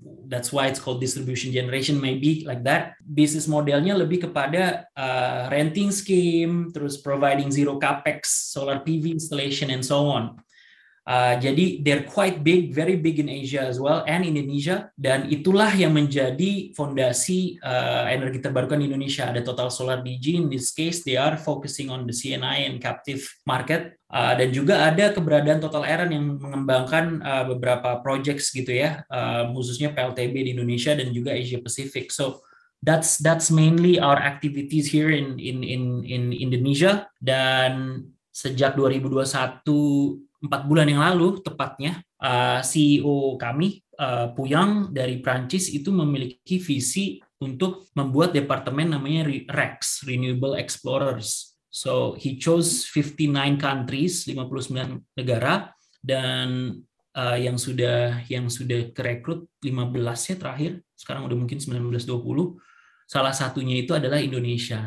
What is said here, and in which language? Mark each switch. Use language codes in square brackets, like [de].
[en] That's why it's called distribution generation, maybe like that. Business modelnya [id] lebih kepada [en] renting scheme, terus providing zero capex, solar PV installation, and so on. Jadi they're quite big, very big in Asia as well, and Indonesia. [id] Dan itulah yang menjadi fondasi energi terbarukan di Indonesia. [en] Ada Total Solar DG, in this case they are focusing on the CNI and captive market. [id] Dan juga ada keberadaan Total Eren yang mengembangkan beberapa projects gitu ya, khususnya PLTB di Indonesia dan juga Asia Pacific. [en] So that's mainly our activities here in Indonesia. [id] Dan sejak 2021, 4 bulan yang lalu tepatnya, CEO kami, Puyang dari Prancis itu memiliki visi untuk membuat departemen namanya REX, Renewable Explorers. [en] So he chose 59 countries, [id] 59 negara, dan yang sudah kerekrut 15 ya terakhir, sekarang udah mungkin 19-20, salah satunya itu adalah Indonesia.